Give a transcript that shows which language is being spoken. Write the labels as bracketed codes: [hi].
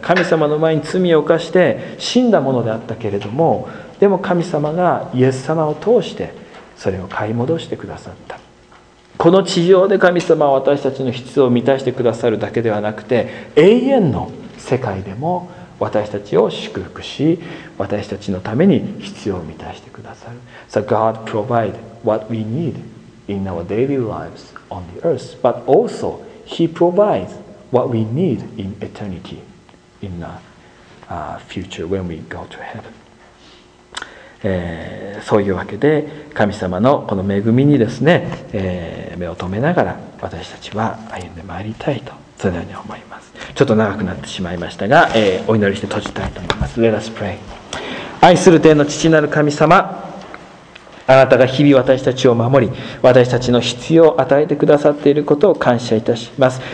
[ja] 神様の前に罪を犯して死んだものであったけれども、でも神様がイエス様を通してそれを買い戻してくださった。この地上で神様は私たちの必要を満たしてくださるだけではなくて、永遠の世界でも私たちを祝福し、私たちのために必要を満たしてくださる。 [en] So God provide what we need in our daily lives on the earth, but also He provides what we need in eternity, in the future when we go to heaven. [ja] そういうわけで神様のこの恵みにですね、目を留めながら私たちは歩んでまいりたいとそのように思います。ちょっと長くなってしまいましたが、お祈りして閉じたいと思います。 [en] Let us pray. [ja] 愛する天の父なる神様、あなたが日々私たちを守り、私たちの必要を与えてくださっていることを感謝いたします。